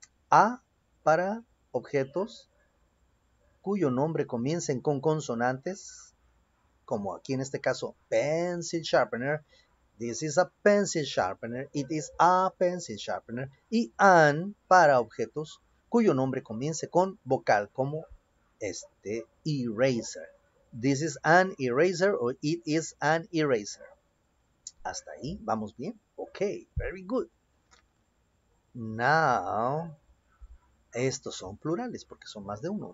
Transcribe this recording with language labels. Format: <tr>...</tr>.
<es>A para objetos cuyo nombre comiencen con consonantes, como aquí en este caso, pencil sharpener.</es> <en>This is a pencil sharpener. It is a pencil sharpener.</en> <es>Y an para objetos cuyo nombre comience con vocal, como este eraser.</es> <en>This is an eraser or it is an eraser.</en> <es>Hasta ahí, ¿vamos bien? Ok,</es> <en>very good.</en> <es>Now, estos son plurales porque son más de uno.</es>